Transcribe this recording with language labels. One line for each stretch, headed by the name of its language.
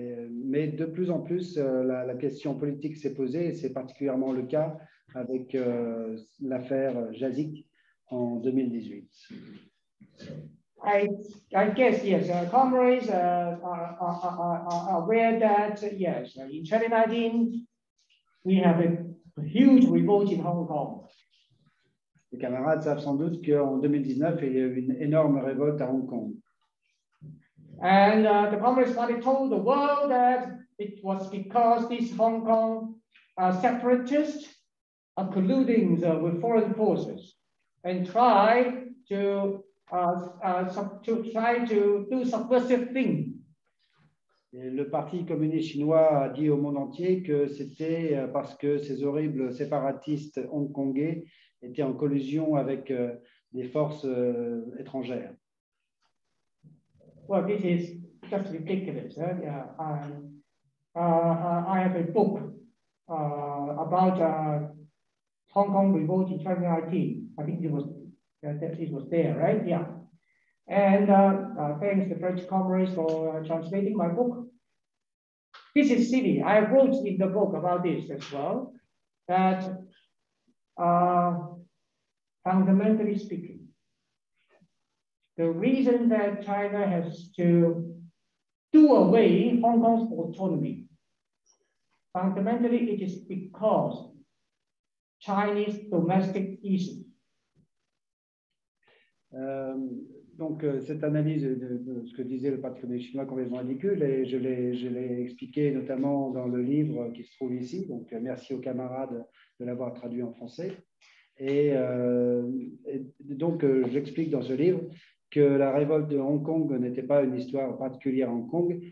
French: Mais de plus en plus, la question politique s'est posée, et c'est particulièrement le cas avec l'affaire Jazik en 2018.
English: I guess, yes, our comrades are aware that, yes, in 2019, we have a huge revolt in Hong Kong.
French: Les camarades savent sans doute qu'en 2019, il y a eu une énorme révolte à Hong Kong.
English: And the Communist Party told the world that it was because these Hong Kong separatists are colluding with foreign forces and try to do subversive things.
French: Et le Parti communiste chinois a dit au monde entier que c'était parce que ces horribles séparatistes hongkongais étaient en collusion avec des forces étrangères.
English: Well, this is just ridiculous. Huh? Yeah, I have a book about Hong Kong revolt in 2019. I think it was there, right? Yeah. And thanks to the French comrades for translating my book. This is silly. I wrote in the book about this as well, that fundamentally speaking, the reason that China has to do away Hong Kong's autonomy, fundamentally, it is because Chinese domestic issue.
French: Donc, cette analyse de ce que disait le Parti communiste chinois complètement ridicule, et je l'ai expliqué notamment dans le livre qui se trouve ici. Donc, merci aux camarades de l'avoir traduit en français. Et donc, j'explique dans ce livre que la révolte de Hong Kong n'était pas une histoire particulière à Hong Kong.